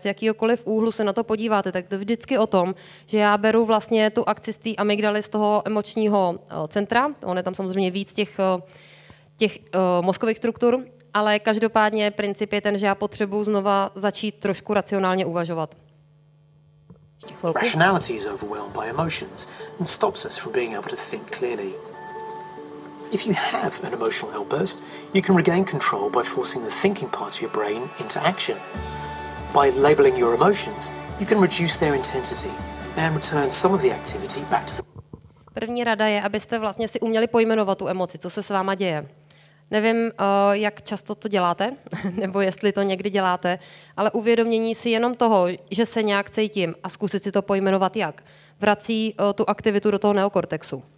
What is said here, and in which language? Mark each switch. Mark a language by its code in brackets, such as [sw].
[cs] Z jakýhokoliv úhlu se na to podíváte, tak to vždycky o tom, že já beru vlastně tu akci z té amygdaly z toho emočního centra. On je tam samozřejmě víc těch mozkových struktur, ale každopádně princip je ten, že já potřebuji znova začít trošku racionálně uvažovat. [en] Rationality is overwhelmed by emotions and stops us from being able to think clearly. If you have an emotional outburst, you can regain control by forcing the thinking part of your brain into action. By labeling your emotions, you can reduce their intensity and return some of the activity back to the... [cs] První rada je, abyste vlastně si uměli pojmenovat tu emoci, co se s váma děje. Nevím, jak často to děláte, nebo jestli to někdy děláte, ale uvědomění si jenom toho, že se nějak cítím a zkusit si to pojmenovat jak, vrací tu aktivitu do toho neokortexu.